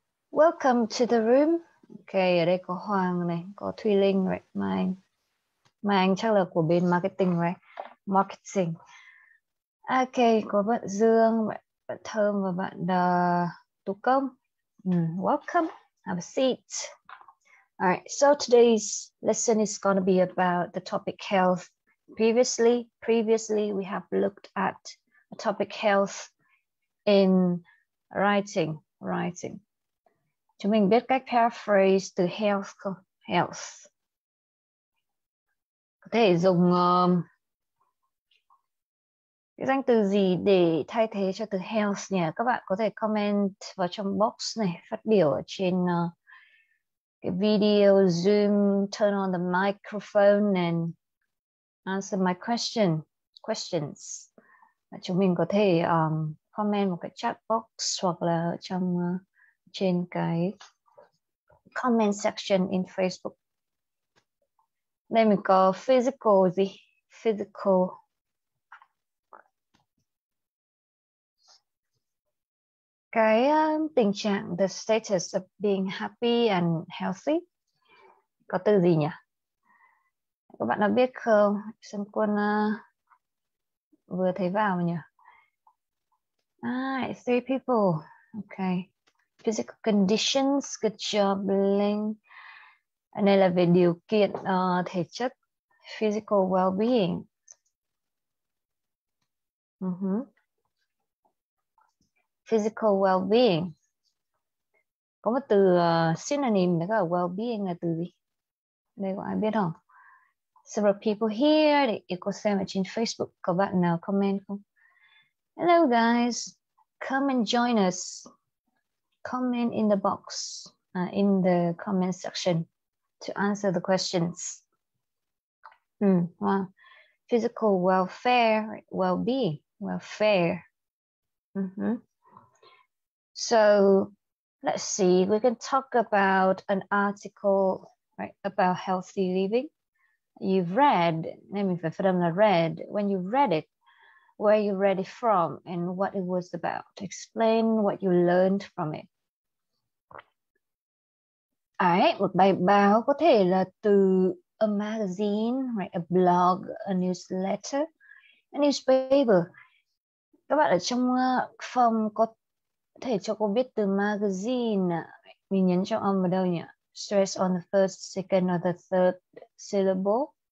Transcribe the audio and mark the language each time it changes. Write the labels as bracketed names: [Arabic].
[English] Welcome to the room. [Vietnamese] Okay, ở đây có Hoàng này, có Thuỷ Lương, right? Mai anh chắc là của bên marketing, right? Marketing. Okay, có bạn Dương, bạn Thơm và bạn Tú Công. [English] Welcome. Have a seat. All right. So today's lesson is going to be about the topic health. Previously we have looked at the topic health in writing. [Vietnamese] Chúng mình biết cách paraphrase từ health không? Health. Có thể dùng cái danh từ gì để thay thế cho từ health nhỉ? Các bạn có thể comment vào trong box này, phát biểu ở trên cái video Zoom, [English] turn on the microphone and answer my questions. [Vietnamese] Chúng mình có thể comment một cái chat box hoặc là trong trên cái comment section in Facebook. Đây mình có physical gì? Physical. Cái tình trạng, [English] the status of being happy and healthy. [Vietnamese] Có từ gì nhỉ? Các bạn đã biết không? Xuân Quân vừa thấy vào nhỉ? [English] Ah, three people. Okay. Physical conditions, good job, Linh. [Vietnamese] Này là về điều kiện thể chất, physical well-being. Physical well-being. Có một từ synonym là well-being là từ gì? Đây có ai biết không? [English] Several people here, [Vietnamese] để có xem ở trên Facebook. Có bạn nào comment không? [English] Hello guys, come and join us. Comment in the box, in the comment section to answer the questions. Wow. Physical welfare, well-being, welfare. So let's see, we can talk about an article, right, about healthy living. You've read, let me put on the read, when you read it, where you read it from and what it was about. Explain what you learned from it. [Vietnamese] Ấy, một bài báo có thể là từ [English] a magazine, right, a blog, a newsletter, a newspaper. [Vietnamese] Các bạn ở trong phòng có thể cho cô biết từ magazine. Mình nhấn trong âm vào đâu nhỉ? [English] Stress on the first, second or the third syllable.